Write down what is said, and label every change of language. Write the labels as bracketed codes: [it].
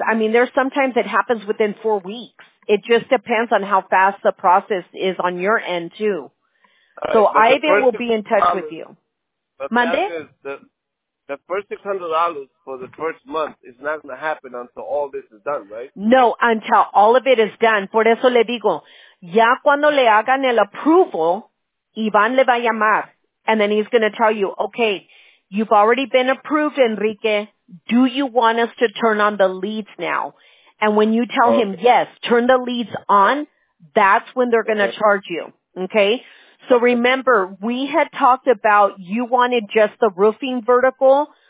[en] I mean, there's sometimes it happens within 4 weeks. It just depends on how fast the process is on your end, too. Right, so Ivan will be in touch with you. Monday? the first $600 for the first month is not going to happen until all this is done, right? No, until all of it is done. [es] Por eso le digo, ya cuando le hagan el approval, Iván le va a llamar. [en] And then he's going to tell you, okay, you've already been approved, Enrique. Do you want us to turn on the leads now? And when you tell him, yes, turn the leads on, that's when they're going to charge you, okay? So remember, we had talked about you wanted just the roofing vertical.